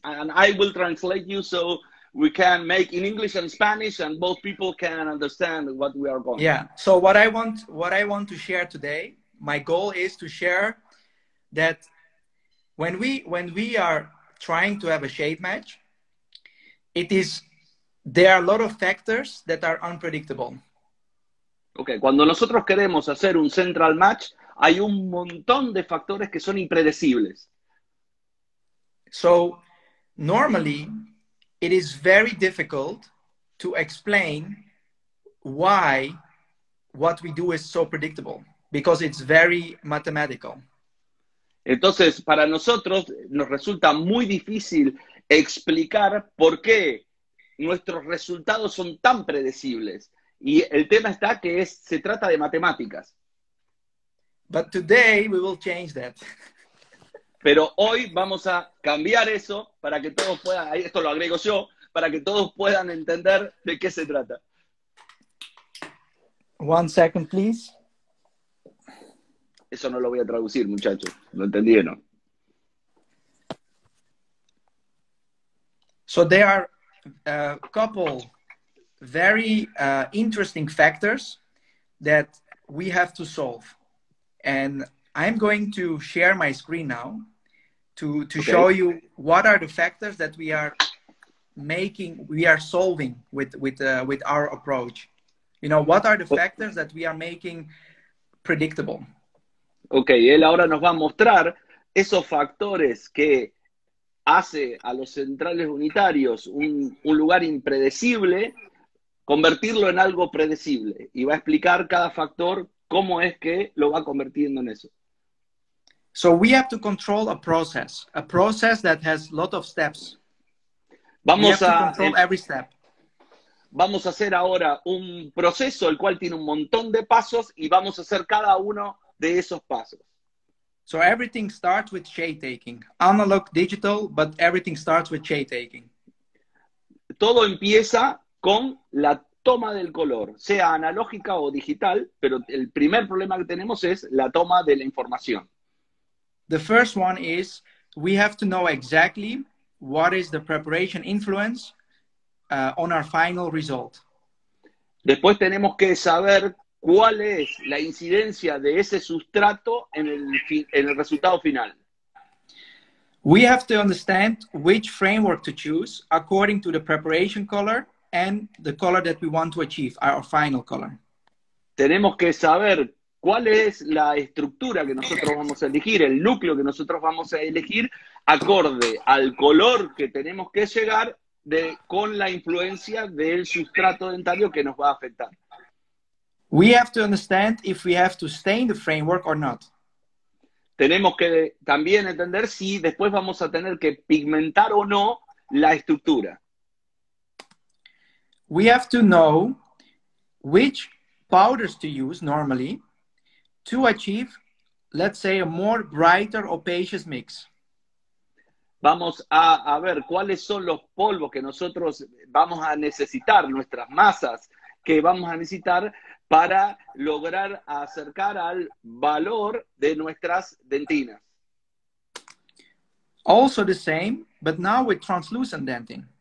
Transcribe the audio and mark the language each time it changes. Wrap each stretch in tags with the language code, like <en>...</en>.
<en>and I will translate you so we can make in English and Spanish and both people can understand what we are going. Yeah. So what I want to share today, my goal is to share that when we are trying to have a shape match, there are a lot of factors that are unpredictable.</en> <es>Okay, cuando nosotros queremos hacer un central match, hay un montón de factores que son impredecibles.</es> <en>So, normally, it is very difficult to explain why what we do is so predictable, because it's very mathematical.</en> <es>Entonces, para nosotros nos resulta muy difícil explicar por qué nuestros resultados son tan predecibles. Y el tema está que se trata de matemáticas.</es> <en>But today we will change that.</en> <es>Pero hoy vamos a cambiar eso para que todos puedan, esto lo agrego yo, para que todos puedan entender de qué se trata.</es> <en>One second, please.</en> <es>Eso no lo voy a traducir, muchachos. ¿Lo entendieron?</es> <en>So there are a couple very interesting factors that we have to solve. And I'm going to share my screen now to okay. show you what are the factors that we are making, we are solving with our approach. You know, what are the factors that we are making predictable?</en> <es>Okay, él ahora nos va a mostrar esos factores que hace a los centrales unitarios un lugar impredecible, convertirlo en algo predecible. Y va a explicar cada factor cómo es que lo va convirtiendo en eso.</es> <en>So we have to control a process that has a lot of steps.</en> <es>Vamos</es> <en>we have to control every step.</en> <es>Vamos a hacer ahora un proceso el cual tiene un montón de pasos y vamos a hacer cada uno de esos pasos.</es> <en>So everything starts with shape taking. Analog, digital, but everything starts with shape taking.</en> <es>Todo empieza con la toma del color, sea analógica o digital, pero el primer problema que tenemos es la toma de la información.</es> <en>The first one is we have to know exactly what is the preparation influence on our final result.</en> <es>Después tenemos que saber cuál es la incidencia de ese sustrato en el resultado final.</es> <en>We have to understand which framework to choose according to the preparation color and the color that we want to achieve, our final color.</en> <es>Tenemos que saber cuál es la estructura que nosotros vamos a elegir, el núcleo que nosotros vamos a elegir, acorde al color que tenemos que llegar con la influencia del sustrato dentario que nos va a afectar.</es> <en>We have to understand if we have to stay in the framework or not.</en> <es>Tenemos que también entender si después vamos a tener que pigmentar o no la estructura.</es> <en>We have to know which powders to use normally to achieve, let's say, a more brighter, opacious mix.</en> <es>Vamos a ver cuáles son los polvos que nosotros vamos a necesitar, nuestras masas que vamos a necesitar para lograr acercar al valor de nuestras dentinas.</es> <en>Also the same, but now with translucent denting.</en>